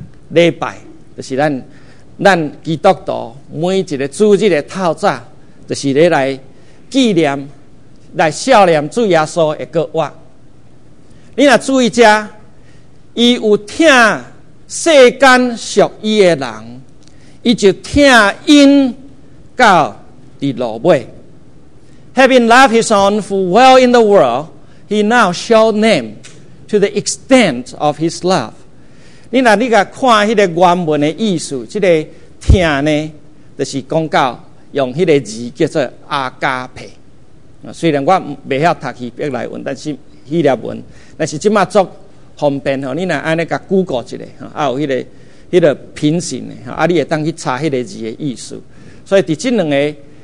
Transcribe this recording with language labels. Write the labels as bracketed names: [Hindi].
[Min Nan Chinese] 礼拜就是咱基督徒每一个主日的透早，就是来纪念、来孝念主耶稣的过活。你若注意者，伊有疼世间属伊的人，伊就疼因到。 [English] Having loved his own who dwell in the world, he now showed them to the extent of his love. [Min Nan Chinese] 你若你甲看迄个原文的意思，即、这个听呢，就是讲到用迄个字叫做阿加佩。虽然我未晓读希伯来文，但是希腊文，但是即马足方便吼。你若安尼甲 Google 一下，还有迄个平行的，你会当去查迄个字的意思。所以伫这两个。